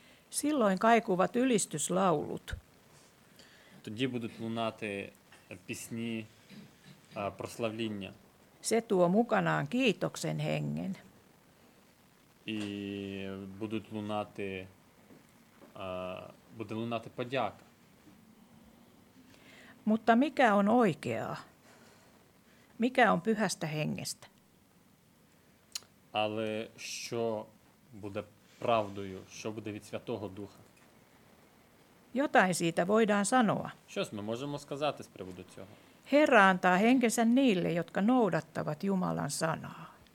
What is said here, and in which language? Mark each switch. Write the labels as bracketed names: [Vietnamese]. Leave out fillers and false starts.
[Finnish] Silloin kaikuvat ylistyslaulut. [Ukrainian] Тоді будуть лунати пісні прославління. [Finnish] Se tuo mukanaan kiitoksen hengen. [Ukrainian] І будуть лунати буде лунати подяка. [Finnish] Mutta mikä on oikeaa? Mikä on pyhästä hengestä? [Ukrainian] Але що буде правдою, що буде від Святого Духа? [Finnish] Jotain siitä voidaan sanoa. [Ukrainian] Що ми можемо сказати з приводу цього? [Finnish] Herra antaa henkensä niille, jotka noudattavat Jumalan sanaa.